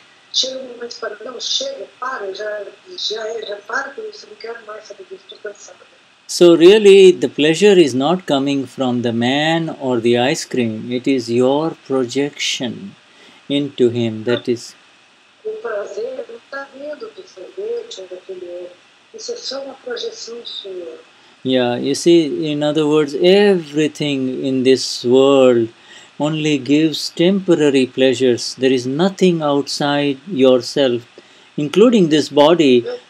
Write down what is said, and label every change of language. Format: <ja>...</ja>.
<pt>Chega um momento para não, chega, para, já para com isso, não quero mais saber disso, estou cansada.</pt> <en>So really, the pleasure is not coming from the man or the ice cream, it is your projection into him, that is.</en> <pt>O prazer não está vindo do sorvete ou daquele homem, isso é só uma projeção sua.</pt> <en>Yeah, you see, in other words, everything in this world only gives temporary pleasures. There is nothing outside yourself, including this body.</en>